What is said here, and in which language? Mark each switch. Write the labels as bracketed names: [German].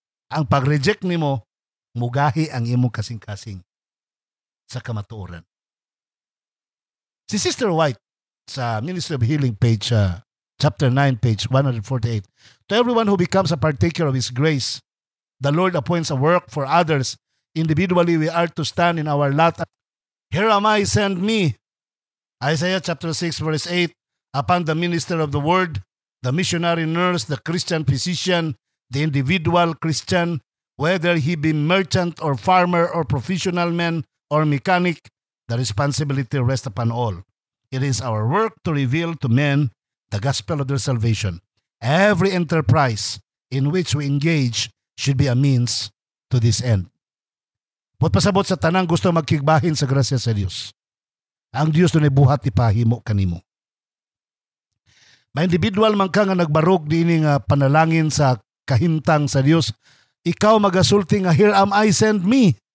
[Cebuano] Ang pag-reject nimo, mugahi ang imong kasing-kasing sa kamatuoran. [English] Si Sister White sa Ministry of Healing page chapter 9 page 148. To everyone who becomes a partaker of His grace, the Lord appoints a work for others. Individually, we are to stand in our lot. Here am I, send me. Isaiah chapter 6 verse 8. Upon the minister of the word, the missionary nurse, the Christian physician, the individual Christian, whether he be merchant or farmer or professional man or mechanic, the responsibility rests upon all. It is our work to reveal to men the gospel of their salvation. Every enterprise in which we engage should be a means to this end. [Cebuano] Pagpasabot sa tanang gusto magkigbahin sa grasya sa Dios. Ang Dios dunay buhat ipahimo kanimo. May individual man ka nga nagbarog di ini nga panalangin sa kahimtang sa Dios, ikaw magasulti nga, [English] here am I, send me.